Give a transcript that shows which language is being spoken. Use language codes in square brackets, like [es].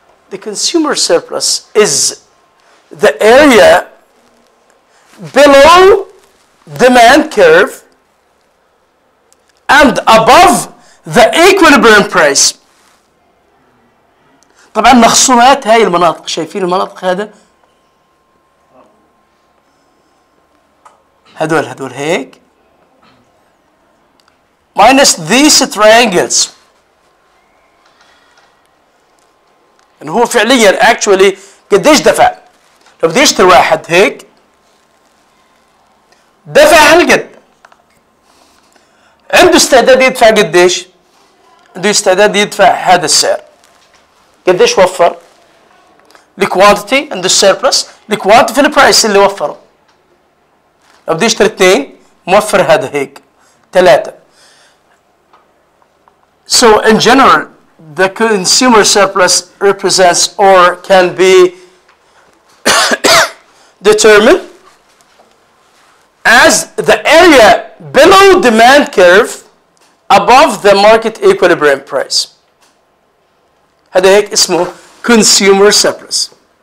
[en] The consumer surplus is the area below demand curve and above the equilibrium price. [ar] طبعا مخصومات هاي المناطق شايفين المناطق هذا هذول هيك [en] minus these triangles. [ar] إنه هو فعليا actually قديش دفع؟ لو بدي اشتري واحد هيك دفع هالقد عنده استعداد يدفع قديش؟ عنده استعداد يدفع هذا السعر قديش وفر؟ الكوانتيتي عند السيربلس الكوانتيتي في البرايس اللي وفره لو بدي اشتري اثنين موفر هذا هيك ثلاثة. [en] So in general the consumer surplus represents or can be determined as the area below demand curve above the market equilibrium price. [ar] هذا هيك اسمه consumer surplus.